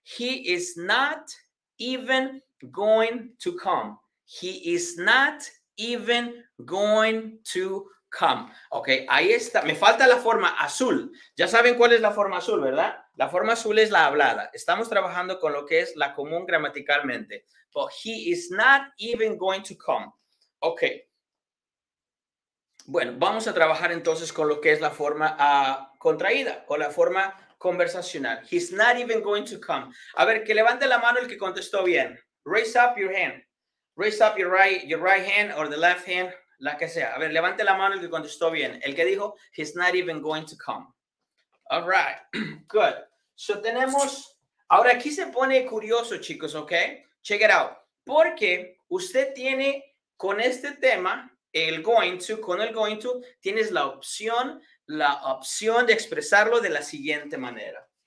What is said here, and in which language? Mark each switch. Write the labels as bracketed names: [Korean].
[English] He is not even going to come. He is not even going to come. Ok, [Spanish] ahí está. Me falta la forma azul. Ya saben cuál es la forma azul, ¿verdad? La forma azul es la hablada. Estamos trabajando con lo que es la común gramaticalmente. [English] But he is not even going to come. Ok. [Spanish] Bueno, vamos a trabajar entonces con lo que es la forma contraída o la forma conversacional. [English] He's not even going to come. [Spanish] A ver, que levante la mano el que contestó bien. [English] Raise up your hand. Raise up your right hand or the left hand. [Spanish] La que sea. A ver, levante la mano el que contestó bien. El que dijo, [English] he's not even going to come. All right. Good. [Spanish] So tenemos, ahora aquí se pone curioso, chicos, ¿ok? [English] Check it out. [Spanish] Porque usted tiene con este tema, el going to, con el going to, tienes la opción de expresarlo de la siguiente manera.